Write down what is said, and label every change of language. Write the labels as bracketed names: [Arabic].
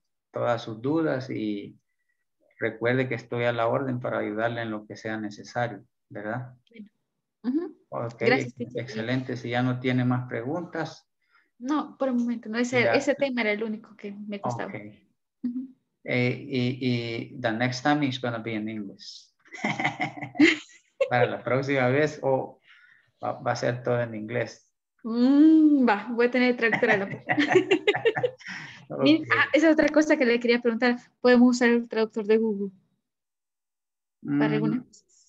[Spanish] todas sus dudas y recuerde que estoy a la orden para ayudarle en lo que sea necesario, ¿verdad? Uh-huh. Ok, gracias, excelente. Si ya no tiene más preguntas. No, por el momento, no, ese tema era el único que me costaba. Ok. [English] Y the next time is going to be in English. [Spanish] Para la próxima vez va a ser todo en inglés. Voy a tener que traducirlo. Okay. Esa es otra cosa que le quería preguntar. ¿Podemos usar el traductor de Google? ¿Para algunas?